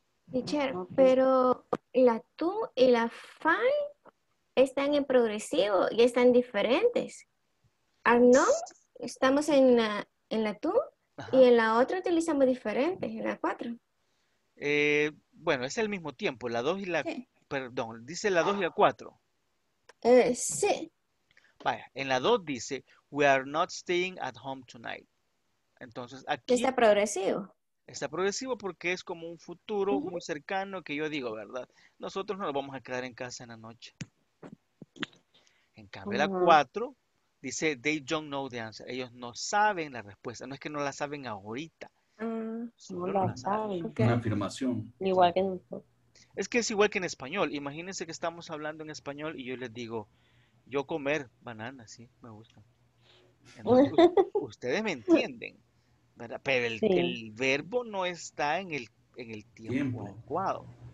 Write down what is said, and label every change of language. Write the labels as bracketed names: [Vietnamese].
[Spanish] Teacher, pero la tú y la fine están en progresivo y están diferentes. [English] Are not, [Spanish] estamos en la tú y en la otra utilizamos diferentes, en la cuatro. Bueno, es el mismo tiempo, la dos y la, perdón, dice la dos y la cuatro. Sí. Vaya, en la dos dice, [English] we are not staying at home tonight. [Spanish] Entonces, aquí. Está progresivo. Está progresivo porque es como un futuro muy cercano que yo digo, ¿verdad? Nosotros no nos vamos a quedar en casa en la noche. En cambio, la 4 dice, [English] they don't know the answer. [Spanish] Ellos no saben la respuesta. No es que no la saben ahorita. No la saben. Okay. Una afirmación. Igual que nosotros. Es que es igual que en español. Imagínense que estamos hablando en español y yo les digo, yo comer bananas, sí, me gusta. Entonces, ustedes me entienden. Pero el verbo no está en el tiempo adecuado.